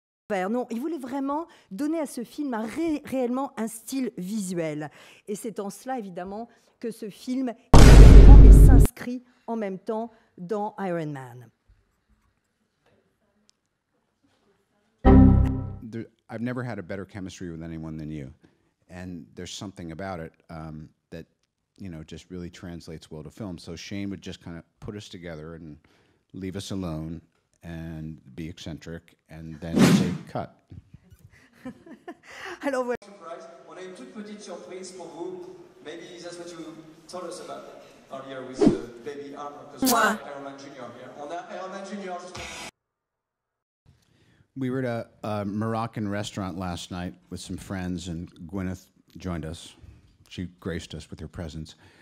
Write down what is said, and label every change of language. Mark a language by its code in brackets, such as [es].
[fr] Non, il voulait vraiment donner à ce film réellement un style visuel. Et c'est en cela, évidemment, que ce film s'inscrit en même temps dans Iron Man. [en] I've never had a better chemistry with anyone than you. And there's something about it that, you know, just really translates well to film. So Shane would just kind of put us together and leave us alone and be eccentric and then say cut. [fr] Alors, voilà. On a une toute petite surprise pour vous. [en] Maybe that's what you told us about earlier with the baby armor. [fr] Moi. [en] Iron Man Junior here. [fr] On a Iron Man Junior. [en] We were at a Moroccan restaurant last night with some friends, and Gwyneth joined us. She graced us with her presence.